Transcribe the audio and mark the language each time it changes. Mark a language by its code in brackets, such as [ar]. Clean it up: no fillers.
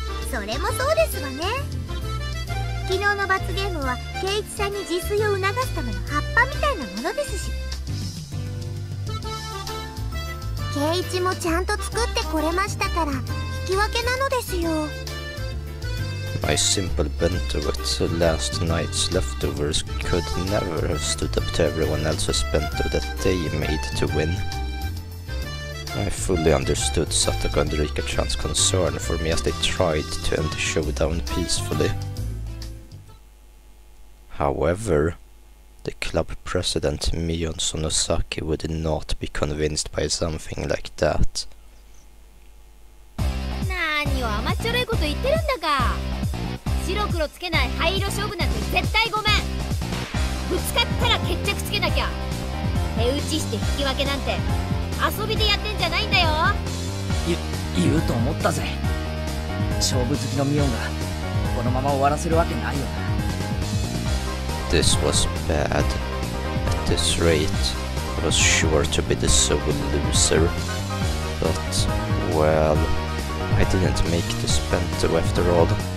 [ja] それもそうですわね。昨日の罰ゲームはケイチさんに自炊を促すための葉っぱみたいなものですし、ケイチもちゃんと作ってこれましたから引き分けなのですよ。 [en] My simple bento with last night's leftovers could never have stood up to everyone else's bento that they made to win. I fully understood Satoko and Rika-chan's concern for me as they tried to end the showdown peacefully. However, the club president Mion Sonosaki would not be convinced by something like that. [ja] Nani wo amachoroi koto itte run da ka? 白黒つけない灰色勝負なんて絶対ごめん。ぶつかったら決着つけなきゃ。手打ちして引き分けなんて遊びでやってんじゃないんだよ。言うと思ったぜ。勝負好きのミオンがこのまま終わらせるわけないよな。 [en] This was bad. At this rate, I was sure to be the sole loser. But, well, I didn't make this bento after all.